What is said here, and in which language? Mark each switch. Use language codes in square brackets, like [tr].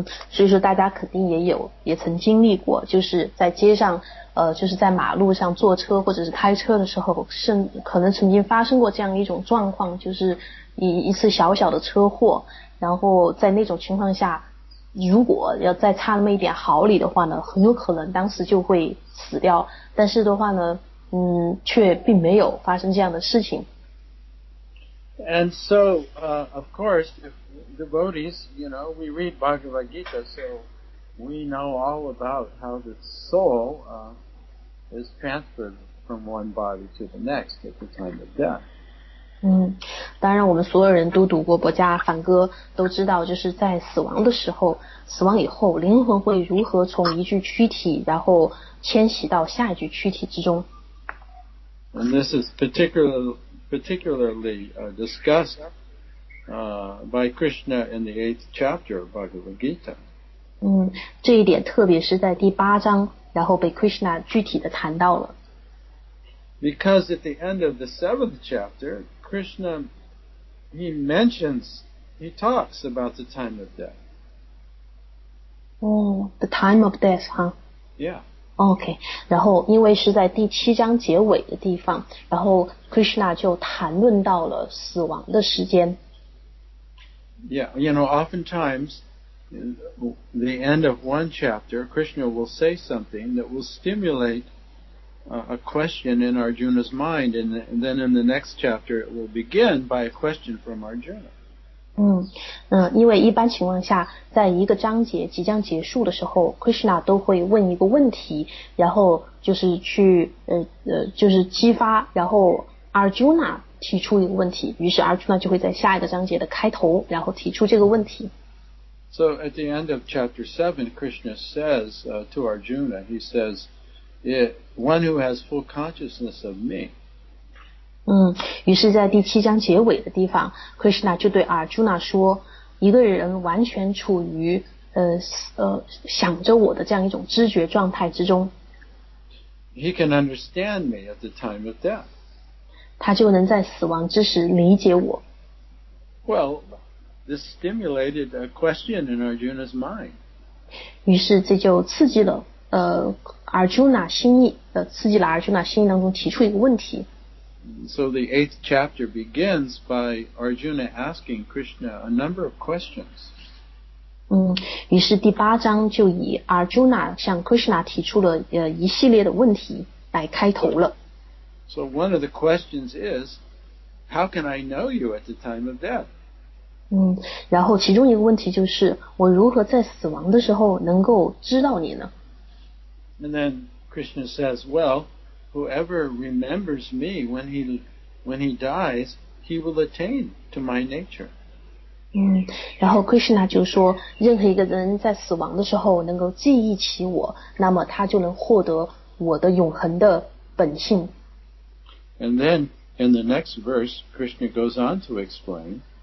[zh] 所以说大家肯定也曾经历过，就是在街上，就是在马路上坐车或者是开车的时候，可能曾经发生过这样一种状况，就是一次小小的车祸。然后在那种情况下，如果要再差那么一点毫厘的话呢，很有可能当时就会死掉。但是的话呢，却并没有发生这样的事情。 [en] And so, of course, if devotees, you know, we read Bhagavad Gita, so we know all about how the soul is transferred from one body to the next at the time of death. [zh] 当然我们所有人都读过《博伽梵歌》，都知道就是在死亡的时候，死亡以后灵魂会如何从一具躯体然后迁徙到下一具躯体之中。 [en] And this is particularly discussed by Krishna in the 8th chapter of Bhagavad Gita. [zh] 这一点特别是在第八章然后被 Krishna 具体的谈到了。 [en] Because at the end of the 7th chapter, Krishna, he talks about the time of death. The time of death, huh? Yeah. [zh] OK, 然后因为是在第七章结尾的地方，然后 Krishna 就谈论到了死亡的时间。 [en] Yeah, you know, oftentimes, the end of one chapter, Krishna will say something that will stimulate a question in Arjuna's mind, and then in the next chapter, it will begin by a question from Arjuna. [zh] 因为一般情况下在一个章节即将结束的时候 Krishna 都会问一个问题然后就是去就是激发然后 Arjuna 提出一个问题于是 Arjuna 就会在下一个章节的开头然后提出这个问题 [en] So at the end of chapter 7 Krishna says to Arjuna he says one who has full consciousness of me [zh] 于是在第七章结尾的地方 Krishna 就对 Arjuna 说一个人完全处于想着我的这样一种知觉状态之中 [en] He can understand me at the time of death [zh] 他就能在死亡之时理解我 [en] Well, this stimulated a question in Arjuna's mind [zh] 于是这就刺激了Arjuna 心意刺激了 Arjuna 心意当中提出一个问题 [en] So the 8th chapter begins by Arjuna asking Krishna a number of questions. [zh] 于是第八章就以 Arjuna 向 Krishna 提出了一系列的问题来开头了。 [en] So one of the questions is, how can I know you at the time of death? [zh] 然后其中一个问题就是我如何在死亡的时候能够知道你呢? [en] And then Krishna says, well,Whoever remembers me when he dies, he will attain to my nature. [zh] 然后 Krishna 就说，任何一个人在死亡的时候能够记忆起我，那么他就能获得我的永恒的本性。 [en] And then in the next verse, Krishna goes on to explain.